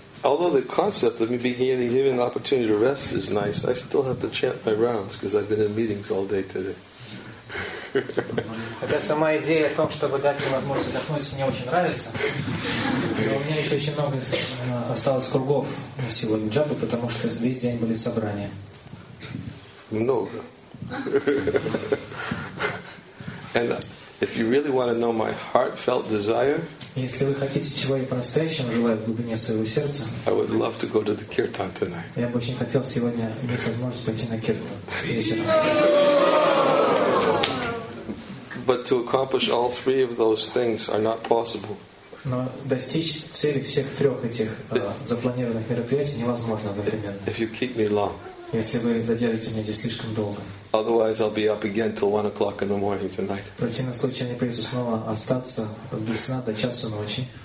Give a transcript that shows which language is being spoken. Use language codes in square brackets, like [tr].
[en] Although the concept of me being given an opportunity to rest is nice, I still have to chant my rounds because I've been in meetings all day today. [ru] Хотя сама идея о том, чтобы дать мне возможность отдохнуть, мне очень нравится. Но у меня еще очень много осталось кругов на сегодня джапы, потому что весь день были собрания. Много. [en] And if you really want to know my heartfelt desire, [ru] если вы хотите, чего я по-настоящему желаю в глубине своего сердца, [en] I would love to go to the kirtan tonight. [ru] Я бы очень хотел сегодня иметь возможность пойти на киртан вечером. [en] But to accomplish all three of those things are not possible. [ru] Но достичь цели всех трех этих запланированных мероприятий невозможно одновременно. [en] If you keep me long. [ru] Если вы задержите меня здесь слишком долго. [en] Otherwise, I'll be up again till 1 o'clock in the morning tonight. [ru] В противном случае мне придется снова остаться без сна до часу ночи.